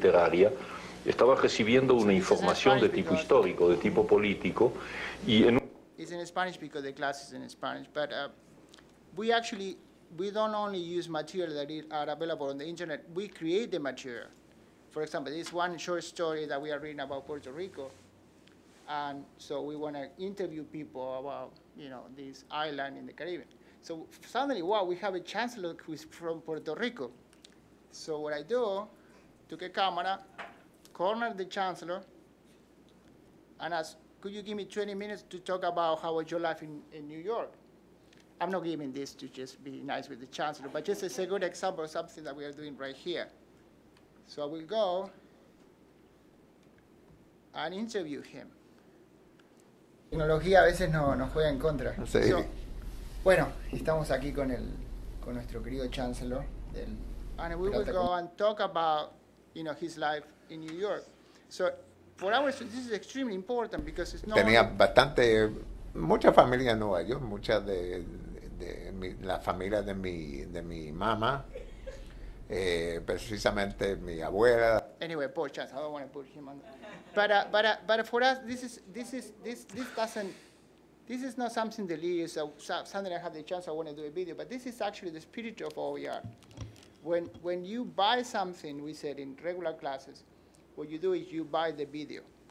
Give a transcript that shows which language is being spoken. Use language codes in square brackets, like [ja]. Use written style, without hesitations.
[es] Literaria, estaba recibiendo una información de tipo histórico, de tipo político, y en... [en] It's in Spanish because the class is in Spanish, but we don't only use material that are available on the internet, we create the material. For example, this one short story that we are reading about Puerto Rico, and so we want to interview people about, you know, this island in the Caribbean. So suddenly, wow, we have a chancellor who is from Puerto Rico. So what I do, took a camera, cornered the chancellor, and asked, could you give me 20 minutes to talk about how was your life in New York? I'm not giving this to just be nice with the chancellor, but just as a good example of something that we are doing right here. So I will go and interview him. [es] Tecnología a veces nos juega en contra. [en] Sí. So, [es] bueno, estamos aquí con el con nuestro querido chancellor del [en] and we will go and talk about, you know, his life in New York. So for our students, this is extremely important because it's not [es] tenía bastante mucha familia en Nueva York, mucha de la familia de mi mamá, precisamente mi abuela. [en] Anyway, poor chancellor, I don't want to put him on. But for us this is not something delirious, something I have the chance I want to do a video, but this is actually the spirit of OER. When you buy something, we said in regular classes, what you do is you buy the video.